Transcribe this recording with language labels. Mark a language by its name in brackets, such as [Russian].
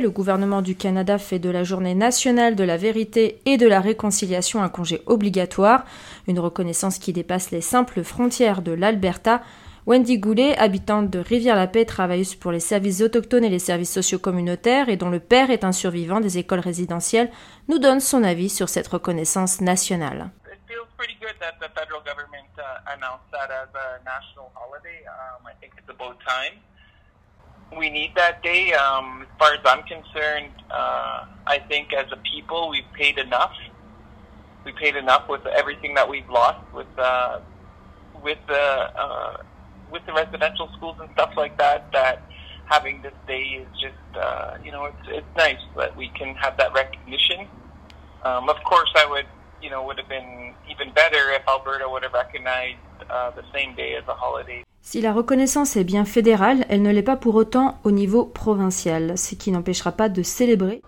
[French] Le gouvernement du Canada fait de la Journée nationale de la vérité et de la réconciliation un congé obligatoire, une reconnaissance qui dépasse les simples frontières de l'Alberta. Wendy Goulet, habitante de Rivière-la-Paix, travailleuse pour les services autochtones et les services sociaux communautaires et dont le père est un survivant des écoles résidentielles, nous donne son avis sur cette reconnaissance nationale. [English] Pretty good that the federal government announced that as a national holiday. I think it's about time. We need that day. As far as I'm concerned, I think as a people, we've paid enough. We paid enough with everything that we've lost with the residential schools and stuff like that. That having this day is just, it's nice that we can have that recognition. Of course, I would. Would have been even better if Alberta would have recognized the same day as a holiday. [French] Si la reconnaissance est bien fédérale, elle ne l'est pas pour autant au niveau provincial, ce qui n'empêchera pas de célébrer.